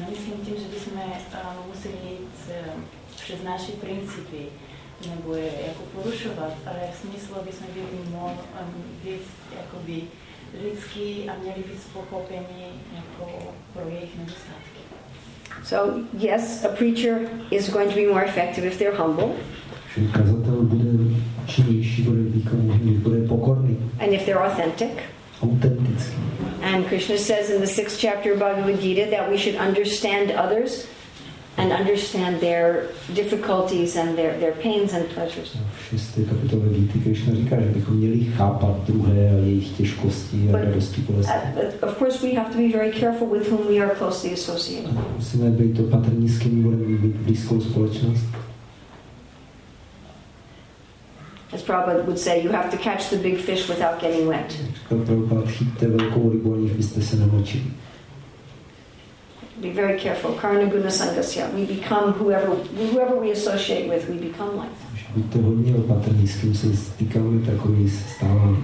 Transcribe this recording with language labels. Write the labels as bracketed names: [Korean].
[Czech] No myslím tím, že bychom museli jít přes naše principy, nebo je jako porušovat, ale v smyslu bychom byli mohli víc jakoby lidský a měli víc pochopení jako pro jejich nedostatky. [English] So yes, a preacher is going to be more effective if they're humble. [Czech] Kazatel bude činnější, bude výkonný, bude pokorný. [English] And if they're authentic. [Czech] Autentický. [English] And Krishna says in the 6th chapter of Bhagavad Gita that we should understand others and understand their difficulties and their pains and pleasures. [Czech] V 6. kapitole Gita Krishna říká, že bychom měli chápat druhé a jejich těžkosti a radosti bolesti. [English] Of course we have to be very careful with whom we are closely associated. [Czech] Musíme být opatrní, s kým budeme mít blízkou společnost. [English] As Prabhupada would say, you have to catch the big fish without getting wet. [Czech] Chytte velkou rybu, aniž byste se namočili. [English] Be very careful. Karna guna sangasya. We become whoever we associate with, we become like that. [Czech] Buďte hodně opatrní, s kým se stýkáme, takový se stáváme.